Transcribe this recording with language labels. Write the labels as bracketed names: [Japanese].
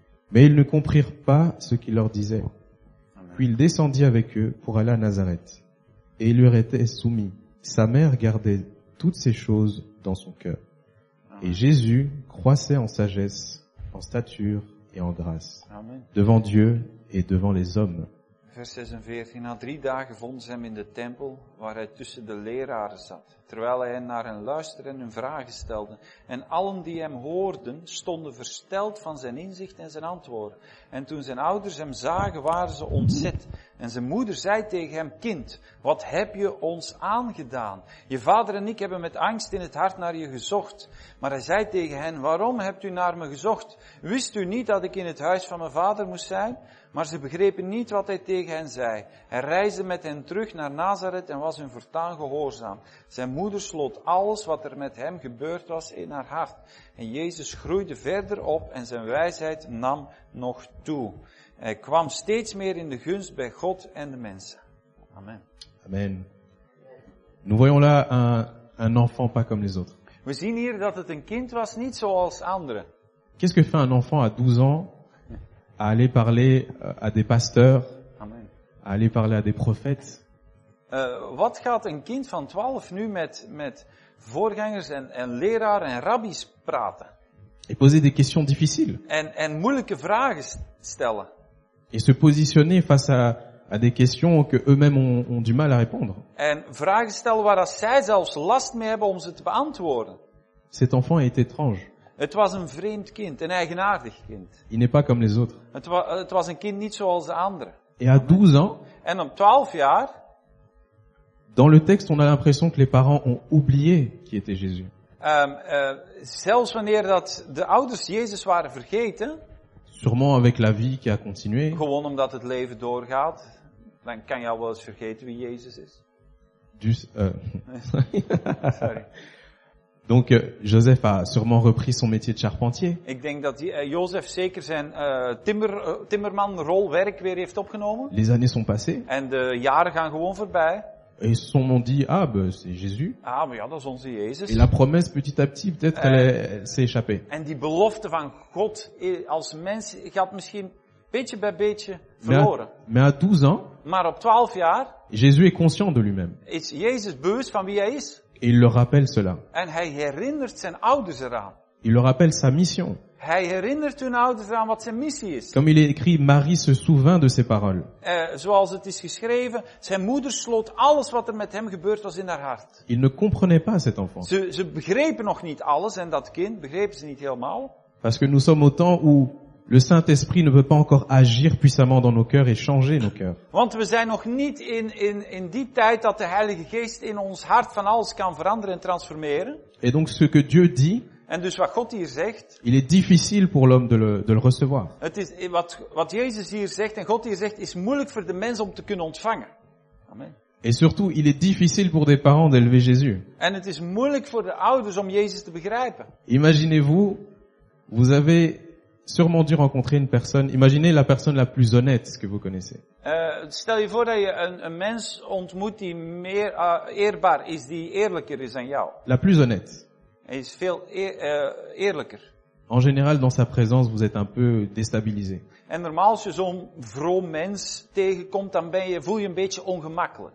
[French] Mais ils ne comprirent pas ce qu'il leur disait. Puis il descendit avec eux pour aller à Nazareth. Et il leur était soumis. Sa mère gardait toutes ces choses dans son cœur. Et Jésus croissait en sagesse, en stature et en grâce. Devant Dieu et devant les hommes. [Dutch] Vers 46. Na drie dagen vonden ze hem in de tempel, waar hij tussen de leraren zat. Terwijl hij naar hen luisterde en hun vragen stelde. En allen die hem hoorden, stonden versteld van zijn inzicht en zijn antwoorden. En toen zijn ouders hem zagen, waren ze ontzet. En zijn moeder zei tegen hem, kind, wat heb je ons aangedaan? Je vader en ik hebben met angst in het hart naar je gezocht. Maar hij zei tegen hen, waarom hebt u naar me gezocht? Wist u niet dat ik in het huis van mijn vader moest zijn? Maar ze begrepen niet wat hij tegen hen zei. Hij reisde met hen terug naar Nazareth en was hun voortaan gehoorzaam. Zijn moeder sloot alles wat er met hem gebeurd was in haar hart. En Jezus groeide verder op en zijn wijsheid nam nog toe. Hij kwam steeds meer in de gunst bij God en de mensen. Amen. Amen. [French] Nous voyons là un enfant pas comme les autres. [Dutch] We zien hier dat het een kind was, niet zoals anderen. [French] Qu'est-ce que fait un enfant à 12 ans à aller parler à des pasteurs, Amen. À aller parler à des prophètes? [Dutch] Wat gaat een kind van 12 nu met voorgangers en leraren en rabbis praten? [French] Et poser des questions difficiles. [Dutch] En moeilijke vragen stellen. [French] Et se positionner face à des questions que eux-mêmes ont du mal à répondre. [Dutch] En vragen stellen waar zij zelfs last mee hebben om ze te beantwoorden. [French] Cet enfant est étrange. [Dutch] Het was een vreemd kind, een eigenaardig kind. [French] Il n'est pas comme les autres. [Dutch] Het was een kind niet zoals de anderen. [French] Et à 12 ans. [Dutch] En op 12 jaar. [French] Dans le texte, on a l'impression que les parents ont oublié qui était Jésus. [Dutch] Zelfs wanneer dat de ouders Jezus waren vergeten. [French] Sûrement avec la vie qui a continué. [Dutch] Gewoon omdat het leven doorgaat, dan kan je al wel eens vergeten wie Jezus is. Sorry. [French] Donc Joseph a sûrement repris son métier de charpentier. [Dutch] Ik denk dat Joseph zeker zijn timmerman rolwerk weer heeft opgenomen. [French] Les années sont passées. [Dutch] En de jaren gaan gewoon voorbij. [French] Et ils m'ont dit, ah ben c'est Jésus. [Dutch] Ah mais ja, dat is onze Jezus. [French] Et la promesse petit à petit peut-être elle s'est échappée. [Dutch] En die belofte van God als mens gaat misschien beetje bij beetje verloren. [French] Mais à 12 ans. [Dutch] Maar op 12 jaar. [French] Jésus est conscient de lui-même. [Dutch] Is Jezus bewust van wie hij is? [French] Et il leur rappelle cela. [Dutch] En hij herinnert zijn ouders eraan. [French] Il leur rappelle sa mission. [Dutch] Hij herinnert hun ouders aan wat zijn missie is. [French] Comme il est écrit, Marie se souvint de ses paroles. [Dutch] Zoals het is geschreven, zijn moeder sloot alles wat er met hem gebeurd was in haar hart. [French] Il ne comprenait pas cet enfant. [Dutch] Ze begrepen nog niet alles en dat kind begrepen ze niet helemaal. [French] Parce que nous sommes au temps où le Saint-Esprit ne peut pas encore agir puissamment dans nos cœurs et changer nos cœurs. [Dutch] Want we zijn nog niet in die tijd dat de Heilige Geest in ons hart van alles kan veranderen en transformeren. [French] Et donc ce que Dieu dit. [Dutch] En dus wat God hier zegt. [French] Il est difficile pour l'homme de le recevoir. [Dutch] Het is wat Jezus hier zegt en God hier zegt is moeilijk voor de mens om te kunnen ontvangen. Amen. [French] Et surtout, il est difficile pour des parents d'élever Jésus. [Dutch] En het is moeilijk voor de ouders om Jezus te begrijpen. [French] Imaginez-vous, vous avez sûrement dû rencontrer une personne. Imaginez la personne la plus honnête que vous connaissez. [Dutch] Stel je voor dat je een mens ontmoet die meer eerbaar is, die eerlijker is dan jou. [French] La plus honnête. [Dutch] Hij is veel eerlijker. [French] En général, dans sa présence, vous êtes un peu déstabilisé. [Dutch] En normaal, als je zo'n vroom mens tegenkomt, dan voel je een beetje ongemakkelijk.